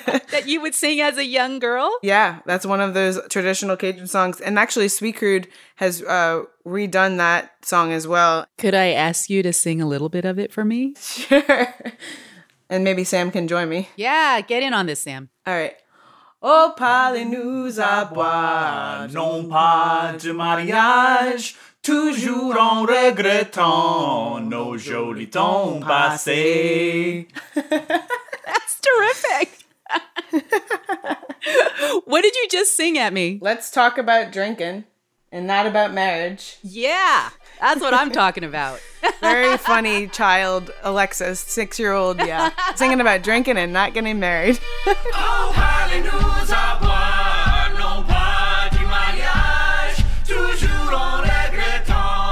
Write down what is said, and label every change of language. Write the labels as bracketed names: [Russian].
[English] That you would sing as a young girl? Yeah, that's one of those traditional Cajun songs. And actually, Sweet Crude has redone that song as well. Could I ask you to sing a little bit of it for me? Sure. And maybe Sam can join me. Yeah, get in on this, Sam. All right. [French] Oh, parlez nous à boire, non pas de mariage. Toujours en regrettant nos jolis temps passés. [English] That's terrific. What did you just sing at me? Let's talk about drinking and not about marriage. Yeah, that's what I'm talking about. Very funny child, Alexis, 6-year-old, yeah. Singing about drinking and not getting married. [French] Oh, parlez nous à boire, non pas du mariage. Toujours en regrettant.